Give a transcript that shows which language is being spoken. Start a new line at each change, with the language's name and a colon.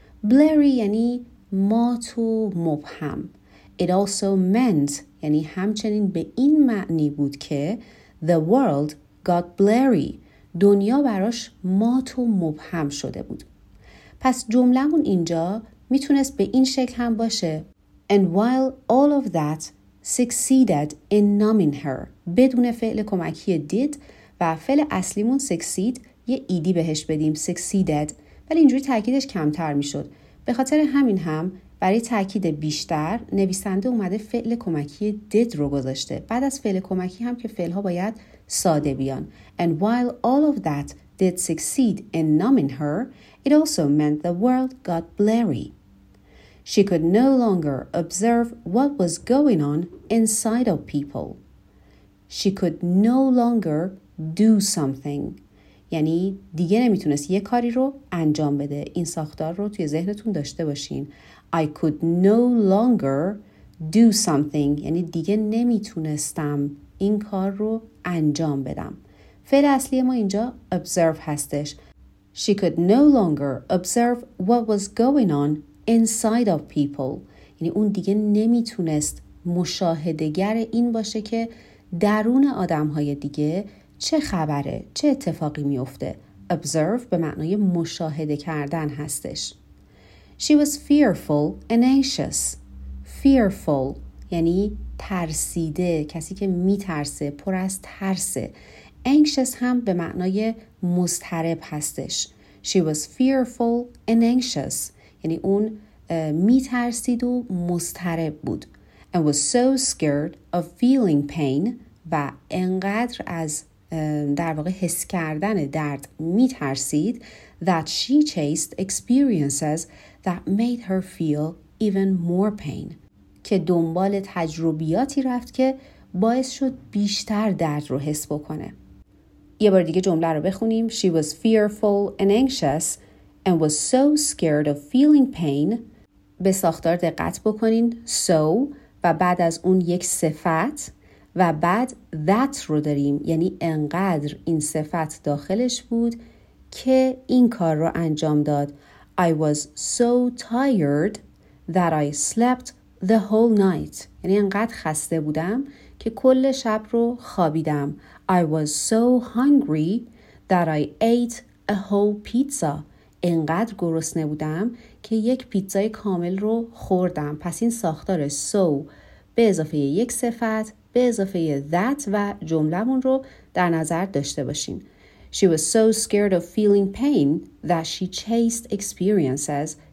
Persian: Blurry یعنی مات و مبهم.
English: It also meant
Persian: یعنی همچنین به این معنی بود که
English: the world got blurry.
Persian: دنیا براش مات و مبهم شده بود. پس جملمون اینجا میتونست به این شکل هم باشه.
English: And while all of that succeeded in numbing her.
Persian: بدون فعل کمکی did و فعل اصلیمون succeed، یه ایدی بهش بدیم، succeeded، ولی اینجوری تاکیدش کمتر میشد. به خاطر همین هم برای تاکید بیشتر نویسنده اومده فعل کمکی did رو گذاشته. بعد از فعل کمکی هم که فعل ها باید ساده بیان.
English: And while all of that did succeed in numbing her, it also meant the world got blurry. She could no longer observe what was going on inside of people. She could no longer do something.
Persian: یعنی دیگه نمیتونست یه کاری رو انجام بده. این ساختار رو توی ذهنتون داشته باشین.
English: I could no longer do something.
Persian: یعنی دیگه نمیتونستم این کار رو انجام بدم. فعل اصلی ما اینجا observe هستش.
English: She could no longer observe what was going on inside of people.
Persian: یعنی اون دیگه نمیتونست مشاهدگر این باشه که درون آدمهای دیگه چه خبره، چه اتفاقی میفته. Observe به معنای مشاهده کردن هستش.
English: She was fearful and anxious.
Persian: Fearful یعنی ترسیده، کسی که میترسه، پر از ترسه. Anxious هم به معنای مضطرب هستش.
English: She was fearful and anxious.
Persian: یعنی اون میترسید و مضطرب بود.
English: And was so scared of feeling pain
Persian: و انقدر از در واقع حس کردن درد میترسید
English: that she chased experiences that made her feel even more pain.
Persian: که دنبال تجربیاتی رفت که باعث شد بیشتر درد رو حس بکنه. یه بار دیگه جمله رو بخونیم.
English: She was fearful and anxious and was so scared of feeling pain.
Persian: به ساختار دقت بکنین. So و بعد از اون یک صفت و بعد that رو داریم. یعنی انقدر این صفت داخلش بود که این کار رو انجام داد.
English: I was so tired that I slept the whole night.
Persian: یعنی انقدر خسته بودم که کل شب رو خوابیدم.
English: I was so hungry that I ate a whole pizza.
Persian: انقدر گرسنه بودم که یک پیتزای کامل رو خوردم. پس این ساختار so به اضافه یک صفت به اضافه that و جملمون رو در نظر داشته باشیم.
English: She was so scared of feeling pain that she chased experiences.